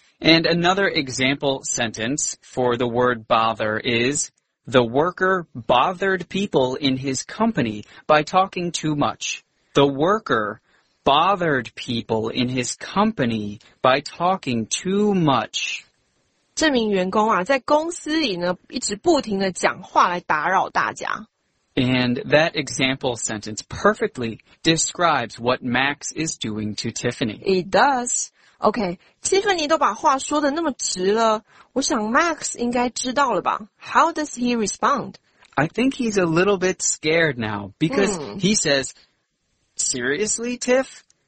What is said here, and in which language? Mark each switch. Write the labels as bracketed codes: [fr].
[en] And another example sentence for the word bother is, the worker bothered people in his company by talking too much. The workerbothered people in his company by talking too much. [zh] 这名员工啊在公司里呢一直不停地讲话来打扰大家。 [en] And that example sentence perfectly describes what Max is doing to Tiffany. It does. Okay, [zh] Tiffany 都把话说得那么直了我想 Max 应该知道了吧。 [en] How does he respond? I think he's a little bit scared now because he says,Seriously, Tiff?